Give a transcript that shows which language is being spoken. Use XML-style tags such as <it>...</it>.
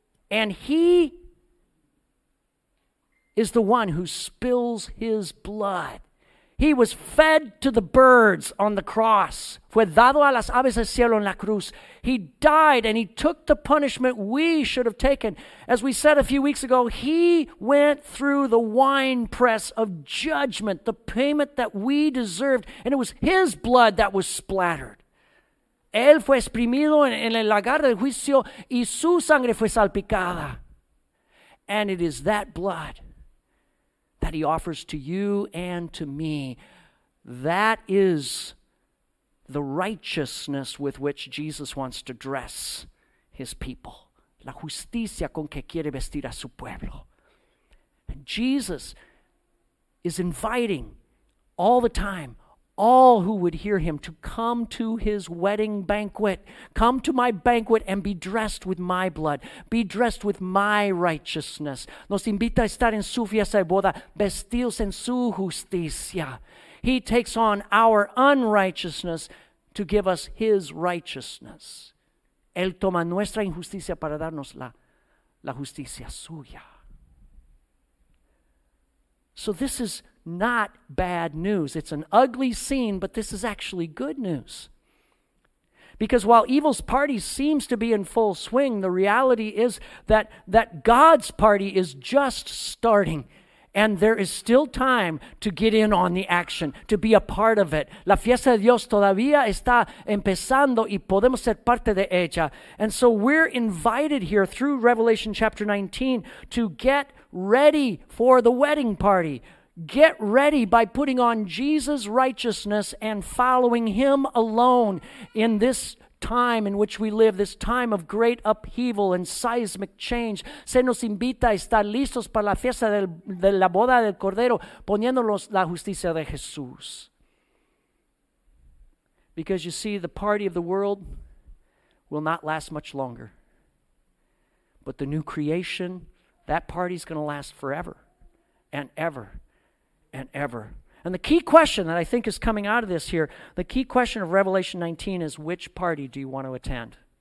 <en>And he is the one who spills his blood. He was fed to the birds on the cross.</en> <es>Fue dado a las aves del cielo en la cruz.</es> <en>He died and he took the punishment we should have taken. As we said a few weeks ago, he went through the wine press of judgment, the payment that we deserved. And it was his blood that was splattered.</en> <es>Él fue exprimido en el lagar del juicio y su sangre fue salpicada.</es> <en>And it is that blood that he offers to you and to me. That is the righteousness with which Jesus wants to dress his people.</en> <es>la justicia con que quiere vestir a su pueblo.</es> <en>And Jesus is inviting all the time all who would hear him to come to his wedding banquet. Come to my banquet and be dressed with my blood. Be dressed with my righteousness.</en> <es>Nos invita a estar en su fiesta de boda, vestidos en su justicia.</es> <en>He takes on our unrighteousness to give us his righteousness.</en> <es>Él toma nuestra injusticia para darnos la justicia suya.</es> <en>So this is not bad news. It's an ugly scene, but this is actually good news. Because while evil's party seems to be in full swing, the reality is that God's party is just starting. And there is still time to get in on the action, to be a part of it.</en> <es>La fiesta de Dios todavía está empezando y podemos ser parte de ella.</es> <en>And so we're invited here through Revelation chapter 19 to get ready for the wedding party. Get ready by putting on Jesus' righteousness and following him alone in this time in which we live, this time of great upheaval and seismic change.</en> <es>Se nos invita a estar listos para la fiesta de la boda del Cordero, poniéndonos la justicia de Jesús.</es> <en>Because you see, the party of the world will not last much longer. But the new creation, that party is going to last forever and ever and ever. And the key question that I think is coming out of this here, the key question of Revelation 19 is, which party do you want to attend?</en>